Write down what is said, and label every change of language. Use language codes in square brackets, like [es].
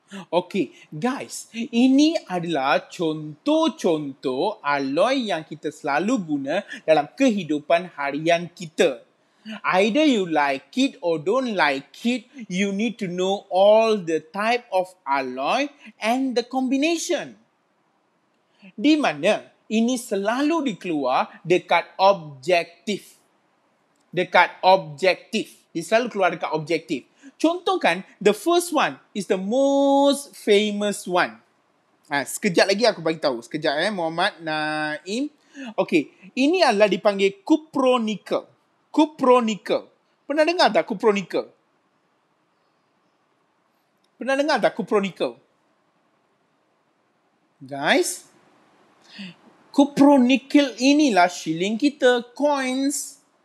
[ms] Okey, guys, ini adalah contoh-contoh aloi yang kita selalu guna dalam kehidupan harian kita. [en] Either you like it or don't like it, you need to know all the type of alloy and the combination. [ms] Di mana ini selalu dikeluar dekat objektif. Dekat objektif. Dia selalu keluar dekat objektif. Contohkan, [en] the first one is the most famous one. [ms] Ha, sekejap lagi aku bagi tahu. Sekejap eh, Muhammad Naim. Okay, ini adalah dipanggil cupronickel. Cupronickel. Pernah dengar tak cupronickel? Pernah dengar tak cupronickel? Guys, cupronickel inilah shilling kita, coins.